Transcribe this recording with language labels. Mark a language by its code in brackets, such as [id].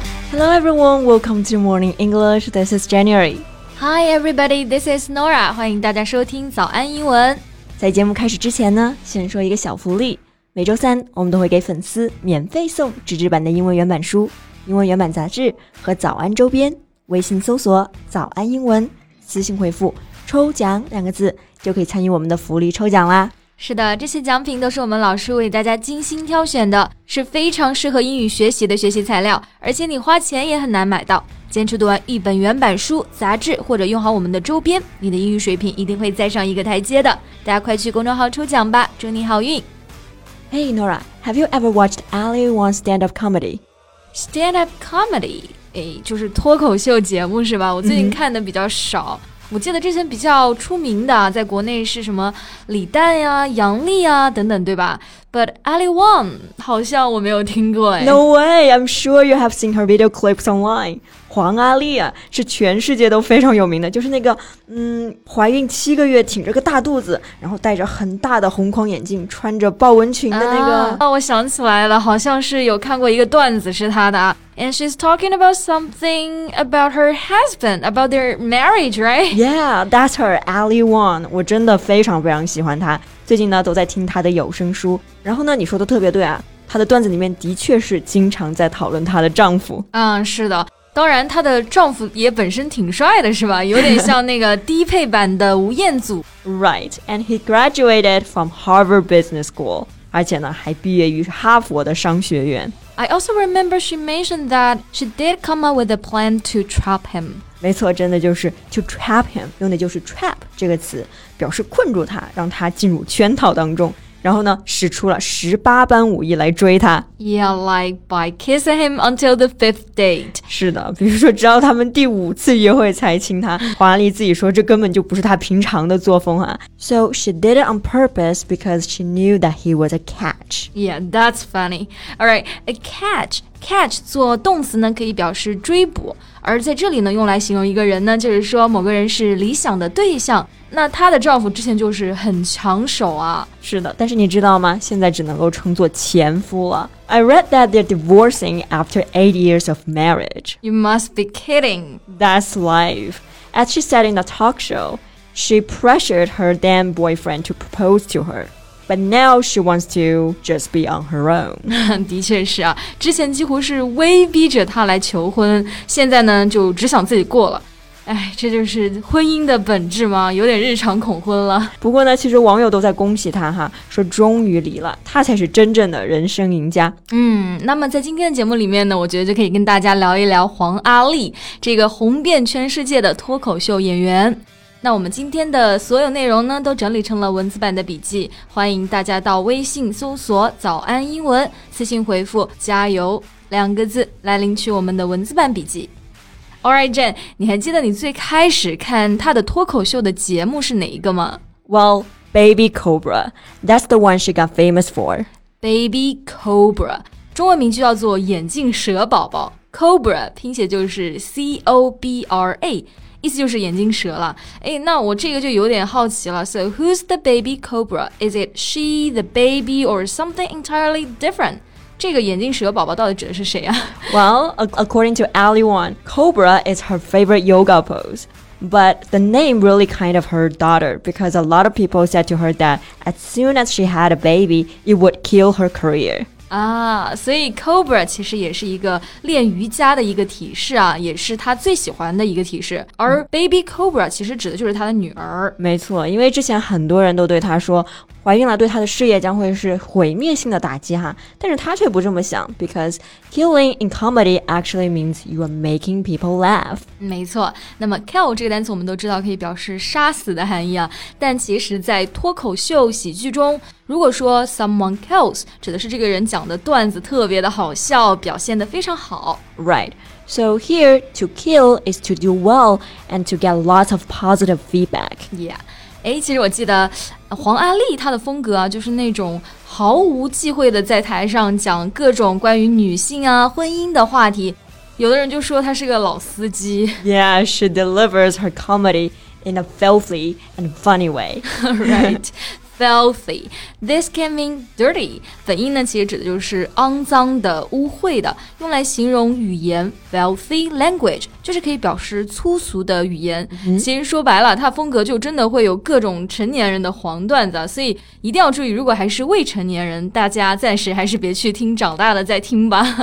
[en] Hello everyone, welcome to Morning English, this is January. Hi everybody, this is Nora, [zh] 欢迎大家收听早安英文。在节目开始之前呢，先说一个小福利。每周三，我们都会给粉丝免费送纸质版的英文原版书、英文原版杂志和早安周边。微信搜索早安英文，私信回复抽奖两个字，就可以参与我们的福利抽奖啦。是的，这些奖品都是我们老师为大家精心挑选的，是非常适合英语学习的学习材料，而且你花钱也很难买到。坚持读完一本原版书、杂志，或者用好我们的周边，你的英语水平一定会再上一个台阶的。大家快去公众号抽奖吧，祝你好运。 [en] Hey Nora, have you ever watched Ali Wong's stand-up comedy? Stand-up comedy? [zh] 就是脱口秀节目是吧？我最近看的比较少。 Mm-hmm. 我记得之前比较出名的在国内是什么李诞呀、杨笠呀等等，对吧？ But Ali Wong 好像我没有听过 [en] No way, I'm sure you have seen her video clips online. [zh] 黄阿丽啊是全世界都非常有名的，就是那个怀孕七个月挺着个大肚子，然后戴着很大的红框眼镜，穿着豹纹裙的那个。我想起来了，好像是有看过一个段子是她的啊。 [en] And she's talking about something about her husband, about their marriage, right? Yeah, that's her, Ali Wong. [zh] 我真的非常非常喜欢她。最近呢，都在听她的有声书。然后呢，你说的特别对啊，她的段子里面的确是经常在讨论她的丈夫。是的。当然，她的丈夫也本身挺帅的，是吧？有点像那个低配版的吴彦祖。 [en] Right, and he graduated from Harvard Business School. [zh] 而且呢，还毕业于哈佛的商学院。 [en] I also remember she mentioned that she did come up with a plan to trap him. [zh] 没错，真的就是 [en] to trap him, [zh] 用的就是 trap 这个词，表示困住他，让他进入圈套当中，然后呢，使出了十八般武艺来追他。 [en] Yeah, like by kissing him until the fifth date. [zh] 是的，比如说直到他们第五次约会才亲他。黄阿丽自己说这根本就不是他平常的作风啊。 [en] So she did it on purpose because she knew that he was a catch. Yeah, that's funny. Alright, a catch. [zh] Catch 做动词呢可以表示追捕，而在这里呢用来形容一个人呢，就是说某个人是理想的对象。那她的丈夫之前就是很抢手啊。是的，但是你知道吗？现在只能够称作前夫了。 [en] I read that they're divorcing after 8 years of marriage. You must be kidding. That's life. As she said in the talk show, she pressured her then boyfriend to propose to her. But now she wants to just be on her own. [zh] 的确是啊，之前几乎是威逼着她来求婚，现在呢就只想自己过了。哎，这就是婚姻的本质吗？有点日常恐婚了。不过呢，其实网友都在恭喜她哈，说终于离了，她才是真正的人生赢家。那么在今天的节目里面呢，我觉得就可以跟大家聊一聊黄阿丽，这个红遍全世界的脱口秀演员。那我们今天的所有内容呢都整理成了文字版的笔记，欢迎大家到微信搜索早安英文，私信回复加油两个字来领取我们的文字版笔记。 Alright Jen, 你还记得你最开始看她的脱口秀的节目是哪一个吗？ [en] Well, Baby Cobra, that's the one she got famous for. [zh] Baby Cobra, 中文名就叫做眼镜蛇宝宝。 Cobra 拼写就是 C-O-B-R-A,意思就是眼睛蛇了。哎，那我这个就有点好奇了。 [en] So who's the baby cobra? Is it she, the baby, or something entirely different? [zh] 这个眼睛蛇宝宝到底指的是谁啊？ [en] Well, according to Ali Wong, cobra is her favorite yoga pose. But the name really kind of her daughter, because a lot of people said to her that as soon as she had a baby, it would kill her career. [zh] 所以 Cobra 其实也是一个练瑜伽的一个体式啊，也是他最喜欢的一个体式。而 Baby Cobra 其实指的就是他的女儿。没错，因为之前很多人都对他说怀孕了对他的事业将会是毁灭性的打击哈，但是他却不这么想。 [en] Because killing in comedy actually means you are making people laugh. [zh] 没错，那么 kill 这个单词我们都知道可以表示杀死的含义啊，但其实在脱口秀喜剧中，如果说 [en] someone kills [zh] 指的是这个人讲的段子特别的好笑，表现得非常好。 [en] Right, so here to kill is to do well and to get lots of positive feedback. Yeah. [zh] 其实我记得黄阿丽她的风格啊，就是那种毫无忌讳的在台上讲各种关于女性啊、婚姻的话题。有的人就说她是个老司机。 [en] Yeah, she delivers her comedy in a filthy and funny way. Right. Filthy. This can mean dirty. [zh] 本意呢其实指的就是肮脏的、污秽的，用来形容语言 [en] filthy language, [zh] 就是可以表示粗俗的语言。 Mm-hmm. 其实说白了，它风格就真的会有各种成年人的黄段子，所以一定要注意，如果还是未成年人，大家暂时还是别去听，长大了再听吧。